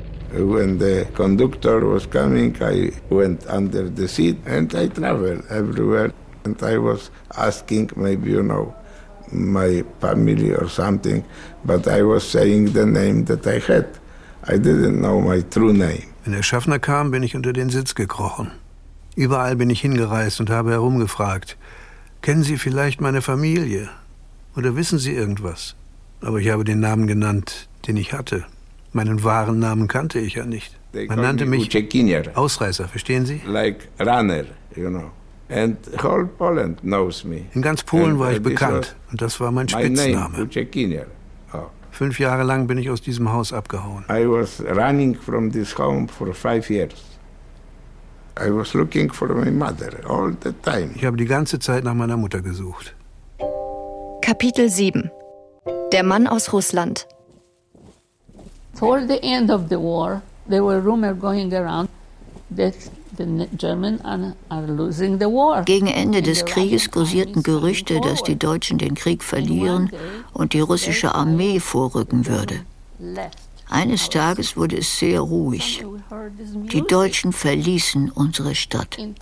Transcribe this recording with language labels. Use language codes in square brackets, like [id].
[en] When the conductor was coming, I went under the seat and I traveled everywhere. And I was asking maybe, you know, my family or something, but I was saying the name that I had. I didn't know my true name. [de] Wenn der Schaffner kam, bin ich unter den Sitz gekrochen. Überall bin ich hingereist und habe herumgefragt. Kennen Sie vielleicht meine Familie? Oder wissen Sie irgendwas? Aber ich habe den Namen genannt, den ich hatte. Meinen wahren Namen kannte ich ja nicht. Man nannte mich Ausreißer, verstehen Sie? [en] Like runner, you know. And whole Poland knows me. [de] In ganz Polen war ich bekannt und das war mein Spitzname. [en] My name, oh. [de] 5 Jahre lang bin ich aus diesem Haus abgehauen. [en] I was running from this home for 5 years. I was looking for my mother all the time. [de] Ich habe die ganze Zeit nach meiner Mutter gesucht. Kapitel 7. Der Mann aus Russland. [en] Toward the end of the war, there were rumors going around that the Germans are losing the war. [de] Gegen Ende des Krieges kursierten Gerüchte, dass die Deutschen den Krieg verlieren und die russische Armee vorrücken würde. Eines Tages wurde es sehr ruhig. Die Deutschen verließen unsere Stadt.